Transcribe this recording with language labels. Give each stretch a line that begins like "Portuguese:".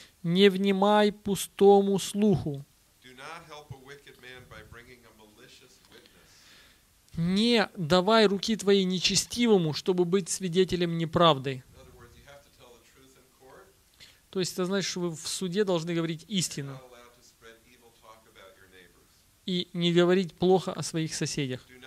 Russian: Не внимай пустому слуху.
English: Do not help a wicked man by bringing a malicious witness.
Russian: Не давай руки твоей нечестивому, чтобы быть свидетелем неправды.
English: In other words, you have to tell the truth in court.
Russian: То есть это значит, что вы в суде должны говорить истину.
English: You're not allowed to spread evil talk about your neighbors.
Russian: И не говорить плохо о своих соседях.